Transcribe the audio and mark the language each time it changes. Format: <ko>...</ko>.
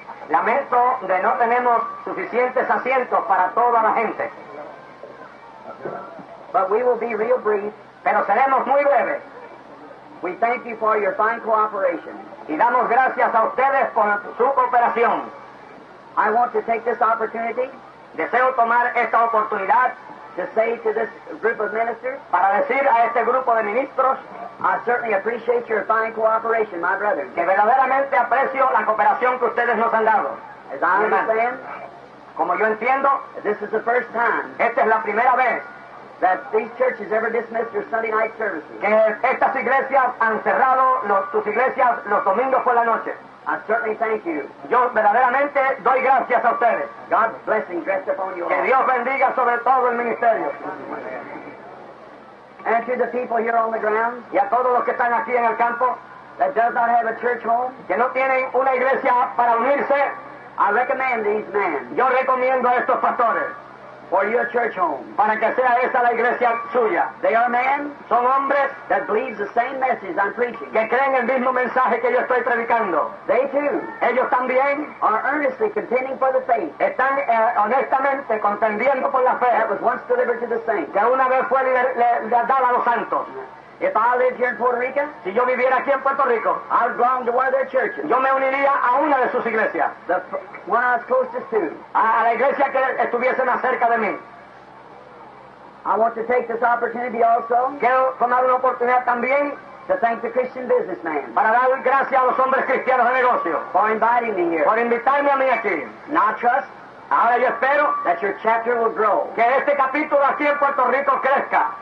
<es>Lamento de no tenemos suficientes asientos para toda la gente.</es> <en>But we will be real brief,</en> <es>pero seremos muy breves.</es> <en>We thank you for your fine cooperation.</en> <es>Y damos gracias a ustedes por su cooperación.</es> <en>I want to take this opportunity,</en> <es>deseo tomar esta oportunidad,</es> <en>to say to this group of ministers,</en> <es>para decir a este grupo de ministros,</es> <en>I certainly appreciate your fine cooperation, my brother.</en> <es>Que verdaderamente aprecio la cooperación que ustedes nos han dado.</es> <en>As I understand,</en> <es>como yo entiendo,</es> <en>this is the first time.</en> <es>Esta es la primera vez.</es> <en>That these churches ever dismissed your Sunday night services.</en> <es>Que estas iglesias han cerrado sus iglesias los domingos por la noche.</es> <en>I certainly thank you.</en> <es>Yo verdaderamente doy gracias a ustedes.</es> <en>God's blessing rest upon you all.</en> <es>Que Dios bendiga sobre todo el ministerio.</es> <en>And to the people here on the ground.</en> <es>Y a todos los que están aquí en el campo.</es> <en>That does not have a church home.</en> <es>Que no tienen una iglesia para unirse.</es> <en>I recommend these men.</en> <es>Yo recomiendo a estos pastores.</es> <en>For your church home.</en> <es>Para que sea esa la iglesia suya.</es> <en>They are men.</en> <es>Son hombres.</es> <en>That believe the same message I'm preaching.</en> <es>Que creen el mismo mensaje que yo estoy predicando.</es> <en>They too.</en> <es>Ellos también.</es> <en>Are earnestly contending for the faith.</en> <es>Están honestamente contendiendo por la fe.</es> <en>That was once delivered to the saints.</en> <es>Que una vez fue dada a los santos.</es> <en>If I lived here in Puerto Rico,</en> <es>si yo viviera aquí en Puerto Rico,</es> <en>I would belong to one of their churches.</en> <es>Yo me uniría a una de sus iglesias.</es> <en>The one I was closest to.</en> <es>A la iglesia que estuviese más cerca de mí.</es> <en>I want to take this opportunity also.</en> <es>Quiero tomar una oportunidad también.</es> <en>To thank the Christian businessman.</en> <es>Para dar gracias a los hombres cristianos de negocio.</es> <en>For inviting me here.</en> <es>Por invitarme a mí aquí.</es> <en>Now trust.</en> <es>Ahora yo espero</es> <en>that your chapter will grow.</en> <es>Que este capítulo aquí en Puerto Rico crezca.</es>